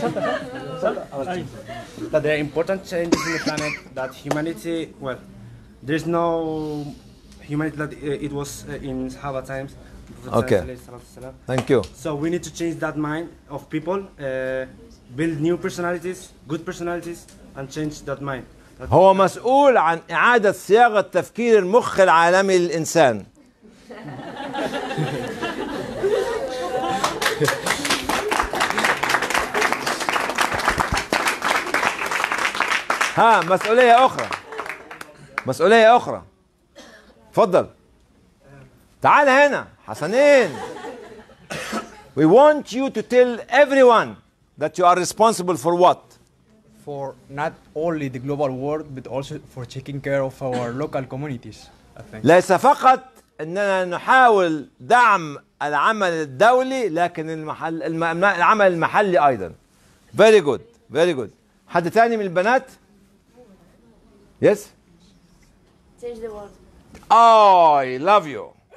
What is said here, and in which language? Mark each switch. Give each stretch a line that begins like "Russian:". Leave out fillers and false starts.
English: That there are important changes in the planet, that humanity, well, there is no humanity that it was in Sahaba times. Okay. Thank you. So we need to change that mind of people, build new personalities, good personalities, and change that mind.
Arabic: هو مسؤول عن إعادة صياغة تفكير المخ العالمي للإنسان. ها مسؤولية أخرى. مسؤولية أخرى. تفضل. تعال هنا. حسنين.
English: We want you to tell everyone that you are responsible for what? For for not only the global world but also for taking care of our local communities.
Arabic: ليس فقط أننا نحاول دعم العمل الدولي لكن العمل المحلي أيضا.
English: Very good, very good.
Arabic: حد تاني من البنات؟
English: Yes. Change the world. Oh, I love you.